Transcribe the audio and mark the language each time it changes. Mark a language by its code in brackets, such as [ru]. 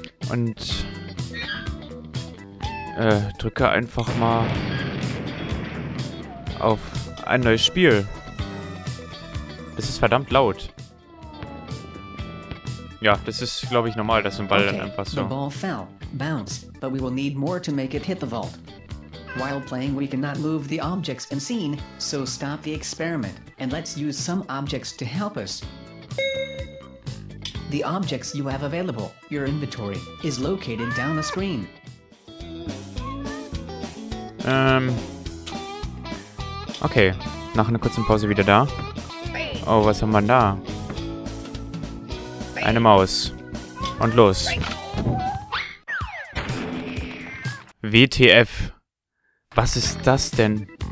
[de] Und drücke einfach mal auf ein neues Spiel. Das ist verdammt laut. Ja, das ist, glaube ich, normal, dass ein Ball dann einfach so. [en] The ball fell, bounced, but we will need more to make it hit the vault. While playing, we cannot move the objects in scene, so stop the experiment and let's use some objects to help us. The objects you have available, your inventory, is located down the screen. [de] Okay, nach einer kurzen Pause wieder da. Oh, was haben wir da? Eine Maus. Und los. WTF. Was ist das denn?